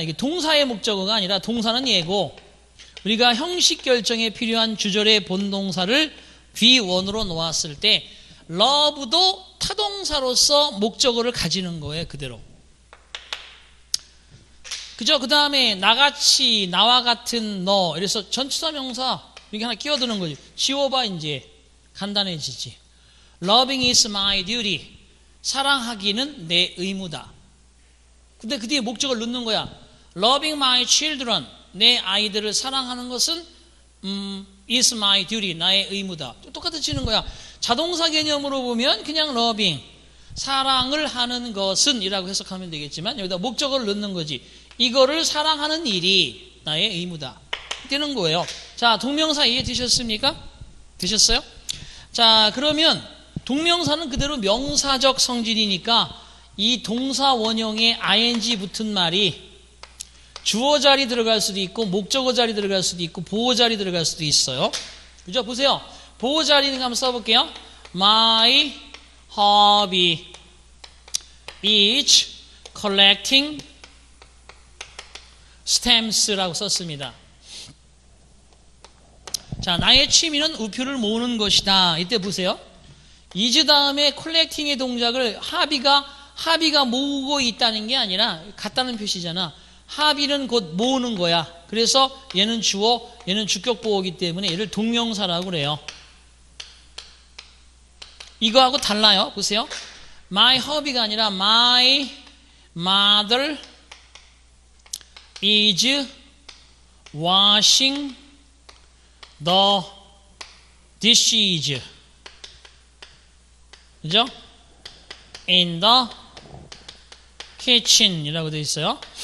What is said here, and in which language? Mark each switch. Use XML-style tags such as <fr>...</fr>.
<ko>이게 동사의 목적어가 아니라, 동사는 예고, 우리가 형식 결정에 필요한 주절의 본동사를 V1으로 놓았을 때 러브도 타동사로서 목적어를 가지는 거예요, 그대로. 그죠? 그 다음에 나같이, 나와 같은 너, 이래서 전치사 명사 이렇게 하나 끼워드는 거지. 지워봐 이제 간단해지지.</ko> <en>Loving is my duty,</en> <ko>사랑하기는 내 의무다. 근데 그 뒤에 목적을 넣는 거야.</ko> <en>Loving my children,</en> <ko>내 아이들을 사랑하는 것은</ko> <en>is my duty,</en> <ko>나의 의무다. 똑같아지는 거야. 자동사 개념으로 보면 그냥 loving, 사랑을 하는 것은 이라고 해석하면 되겠지만 여기다 목적을 넣는 거지. 이거를 사랑하는 일이 나의 의무다 되는 거예요. 자, 동명사 이해 되셨습니까? 되셨어요? 자, 그러면 동명사는 그대로 명사적 성질이니까 이 동사 원형에 ing 붙은 말이 주어 자리 들어갈 수도 있고 목적어 자리 들어갈 수도 있고 보호 자리 들어갈 수도 있어요. 그죠? 보세요. 보호 자리는 한번 써볼게요.</ko> <en>My hobby is collecting stamps라고</en> <ko>썼습니다. 자, 나의 취미는 우표를 모으는 것이다. 이때 보세요. is 다음에 collecting의 동작을 합의가 모으고 있다는 게 아니라 같다는 표시잖아. 합의는 곧 모으는 거야. 그래서 얘는 주어, 얘는 주격보호이기 때문에 얘를 동명사라고 그래요. 이거하고 달라요. 보세요.</ko> <en>My hobby가</en> <ko>아니라</ko> <en>My mother is washing the dishes.</en> <ko>그죠?</ko> <en>In the kitchen</en> <ko>이라고 되어 있어요.</ko>